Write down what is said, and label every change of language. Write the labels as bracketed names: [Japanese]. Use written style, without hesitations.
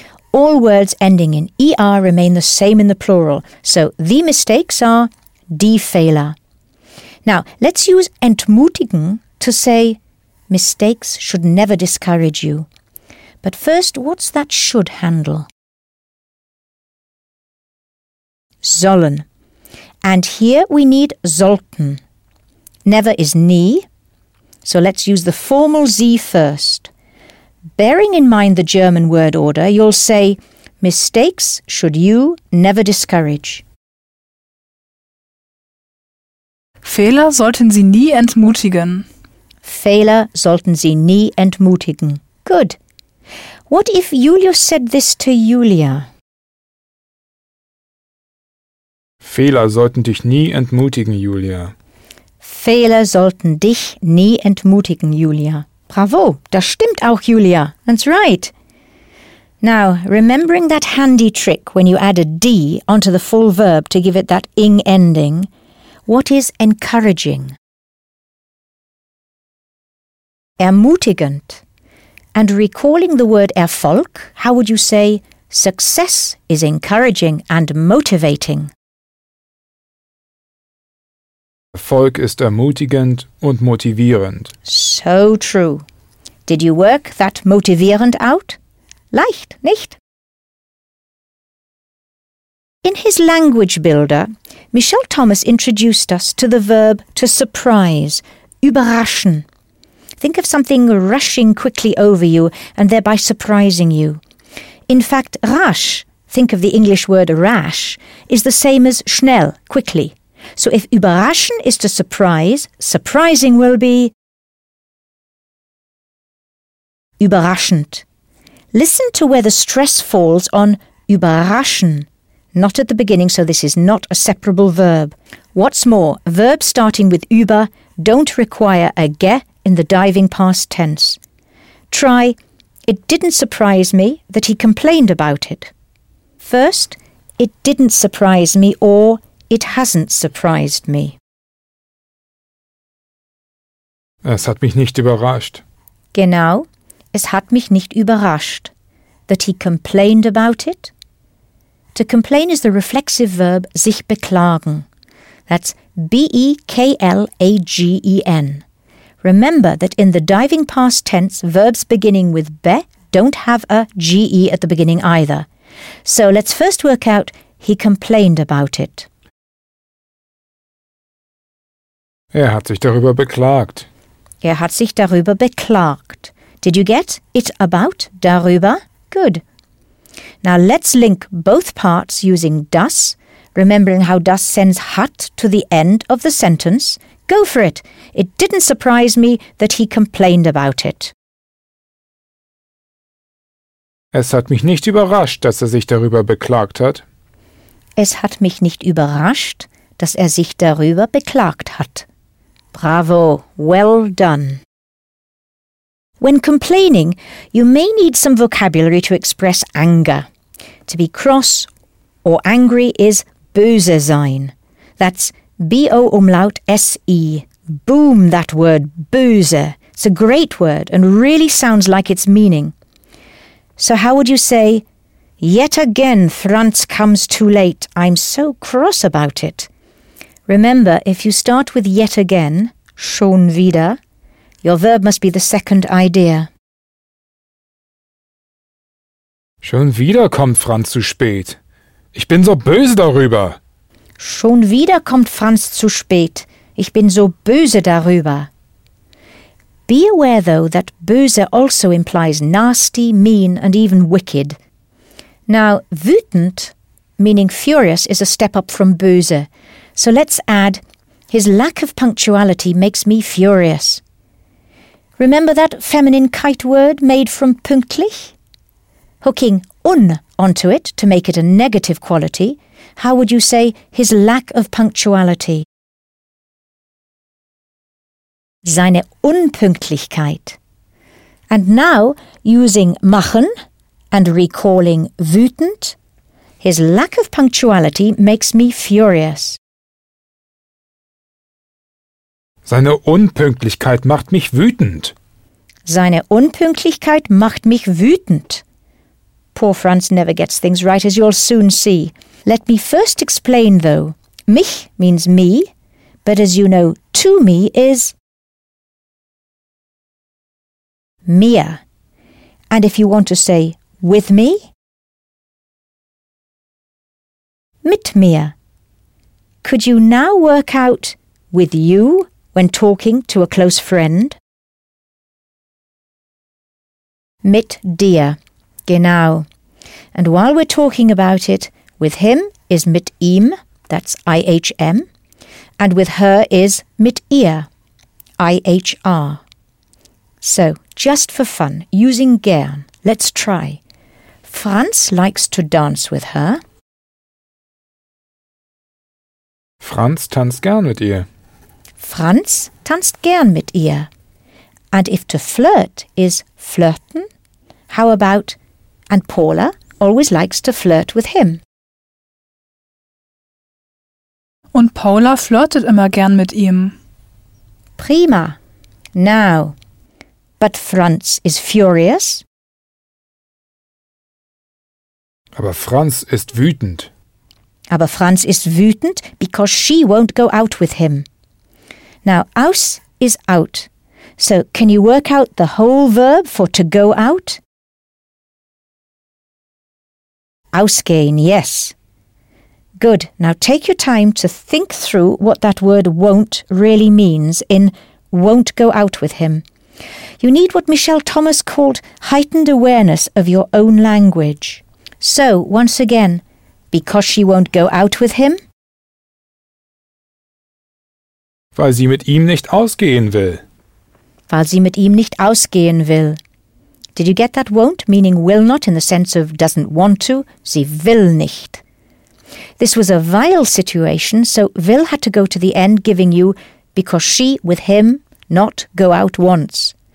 [English] All words ending in E-R remain the same in the plural, so the mistakes are die Fehler. Now, let's use entmutigen to say mistakes should never discourage you. But first, what's that should handle? [German] Sollen. [English] And here we need sollten. Never is nie, so let's use the formal Z first. Bearing in mind the German word order, you'll say, mistakes should you never discourage. [German] Fehler sollten Sie nie entmutigen. Fehler sollten Sie nie entmutigen. [English] Good. What if Julius said this to Julia? [German] Fehler sollten dich nie entmutigen, Julia. Fehler sollten dich nie entmutigen, Julia. Bravo, das stimmt auch, Julia. [English] That's right. Now, remembering that handy trick when you add a D onto the full verb to give it that ing ending, what is encouraging? Ermutigend. And recalling the word Erfolg, how would you say success is encouraging and motivating? [German] Erfolg ist ermutigend und motivierend. [English] So true. Did you work that motivierend out? [German] Leicht, nicht? [English] In his language builder, Michel Thomas introduced us to the verb to surprise, überraschen. Think of something rushing quickly over you and thereby surprising you. In fact, rasch, think of the English word rash, is the same as schnell, quickly. So if überraschen is to surprise, surprising will be überraschend. Listen to where the stress falls on überraschen, not at the beginning, so this is not a separable verb. What's more, verbs starting with über don't require a ge in the diving past tense. Try, it didn't surprise me that he complained about it. First, it didn't surprise me, or it hasn't surprised me. [German] Es hat mich nicht überrascht. Genau, es hat mich nicht überrascht. [English] That he complained about it? To complain is the reflexive verb sich beklagen. That's beklagen. Remember that in the diving past tense, verbs beginning with be don't have a ge at the beginning either. So let's first work out he complained about it. [German] Hat sich darüber beklagt. Hat sich darüber beklagt. [English] Did you get it about, darüber? Good. Now let's link both parts using das, remembering how das sends hat to the end of the sentence. Go for it. It didn't surprise me that he complained about it. [German] Es hat mich nicht überrascht, dass sich darüber beklagt hat. Es hat mich nicht überrascht, dass sich darüber beklagt hat. [English] Bravo. Well done. When complaining, you may need some vocabulary to express anger. To be cross or angry is böse sein. That's B-O umlaut S-E. Boom, that word, böse. It's a great word and really sounds like its meaning. So how would you say, yet again Franz comes too late. I'm so cross about it. Remember, if you start with yet again, schon wieder, your verb must be the second idea. [German] Schon wieder kommt Franz zu spät. Ich bin so böse darüber. Schon wieder kommt Franz zu spät. Ich bin so böse darüber. [English] Be aware, though, that böse also implies nasty, mean, and even wicked. Now, wütend, meaning furious, is a step up from böse. So let's add, his lack of punctuality makes me furious. Remember that feminine kite word made from pünktlich? Hooking un onto it to make it a negative quality, how would you say his lack of punctuality? [German] Seine Unpünktlichkeit. [English] And now, using machen and recalling wütend, his lack of punctuality makes me furious. [German] Seine Unpünktlichkeit macht mich wütend. Seine Unpünktlichkeit macht mich wütend. [English] Poor Franz never gets things right, as you'll soon see. Let me first explain, though. Mich means me, but as you know, to me is mir. And if you want to say with me, mit mir. Could you now work out with you when talking to a close friend? [German] Mit dir, genau. [English] And while we're talking about it, with him is mit ihm, that's IHM, and with her is mit ihr, IHR. So, just for fun, using gern, let's try. Franz likes to dance with her. [German] Franz tanzt gern mit ihr. Franz tanzt gern mit ihr. [English] And if to flirt is flirten, how about, and Paula always likes to flirt with him. [German] Und Paula flirtet immer gern mit ihm. Prima. [English] Now, but Franz is furious. [German] Aber Franz ist wütend. Aber Franz ist wütend, [English] because she won't go out with him. Now, aus is out. So can you work out the whole verb for to go out? Ausgehen, yes. Good. Now take your time to think through what that word won't really means in won't go out with him. You need what Michelle Thomas called heightened awareness of your own language. So, once again, because she won't go out with him? [German] Weil sie mit ihm nicht ausgehen will. Weil sie mit ihm nicht ausgehen will. [English] Did you get that won't, meaning will not in the sense of doesn't want to? [German] Sie will nicht. [English] This was a vile situation, so will had to go to the end giving you because she, with him, not go out once.